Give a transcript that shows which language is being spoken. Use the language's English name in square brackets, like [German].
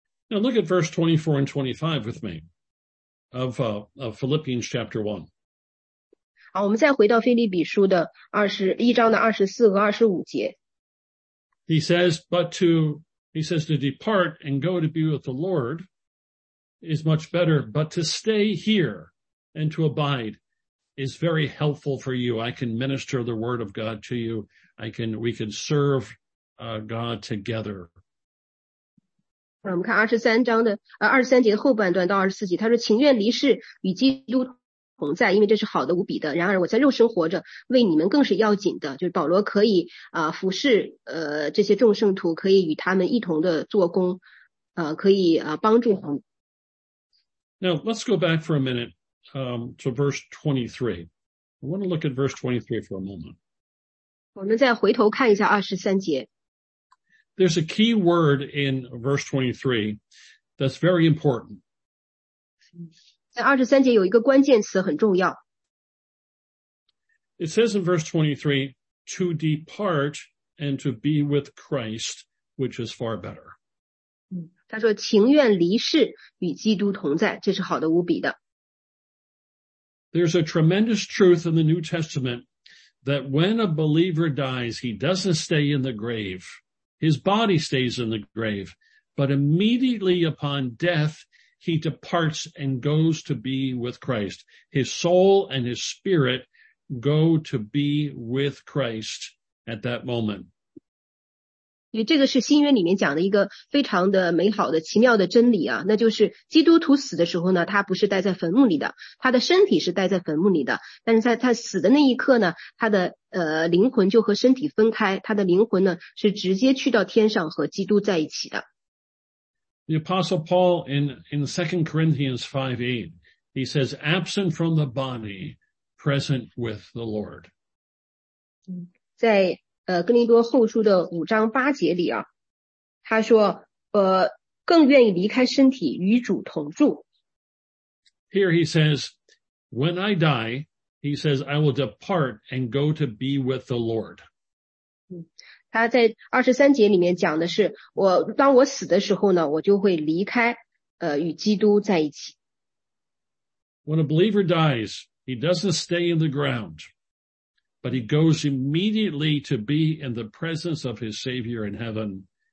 [English] Now look at verse 24 and 25 with me of Philippians chapter 1. [Chinese] 好，我们再回到腓立比书的一章的24和25节。 [English] He says to depart and go to be with the Lord is much better, but to stay here and to abide. Is very helpful for you. I can minister the word of God to you. We can serve, God together. [Chinese] 我们看23节的后半段到24节，他说情愿离世与基督同在，因为这是好的无比的。然而我在肉身活着，为你们更是要紧的。就是保罗可以服侍这些众圣徒，可以与他们一同的做工，可以帮助他们。 [English] Now let's go back for a minute. To verse 23. I want to look at verse 23 for a moment. [Chinese] 我们再回头看一下23节。 [English] There's a key word in verse 23 that's very important. [Chinese] 在23节有一个关键词很重要。 [English] It says in verse 23, to depart and to be with Christ, which is far better. [Chinese] 他说情愿离世与基督同在，这是好的无比的。 [English] There's a tremendous truth in the New Testament that when a believer dies, he doesn't stay in the grave. His body stays in the grave, but immediately upon death, he departs and goes to be with Christ. His soul and his spirit go to be with Christ at that moment. [Chinese] 因为这个是新约里面讲的一个非常的美好的奇妙的真理啊，那就是基督徒死的时候呢，他不是待在坟墓里的，他的身体是待在坟墓里的，但是在他死的那一刻呢，他的灵魂就和身体分开，他的灵魂呢是直接去到天上和基督在一起的。 [English] The Apostle Paul in 2 Corinthians 5:8, he says, absent from the body, present with the Lord. [Chinese] 在哥林多后书的五章八节里啊，他说更愿意离开身体与主同住。 [English] Here he says, when I die, he says, I will depart and go to be with the Lord. [Chinese] 他在23节里面讲的是，我当我死的时候呢，我就会离开，与基督在一起。 [English] When a believer dies, he doesn't stay in the ground, but he goes immediately to be in the presence of his Savior in heaven.